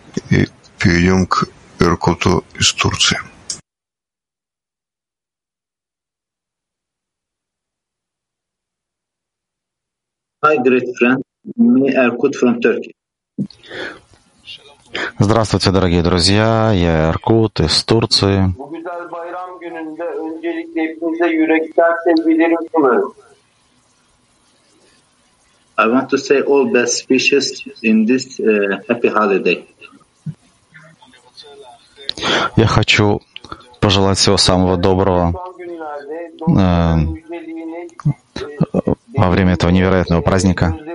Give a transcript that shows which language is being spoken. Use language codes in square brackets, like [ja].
[ru] И перейдем к Эркуту из Турции. [en] Hi, great friend. Me Erkut from Turkey. [ru] Здравствуйте, дорогие друзья. Я Эркут из Турции. [tr] Bu güzel bayram gününde öncelikle hepinize yürekten sevgilerimi sunarım. [en] I want to say all best wishes in this happy holiday. [ru] Я хочу пожелать всего самого доброго во время этого невероятного праздника.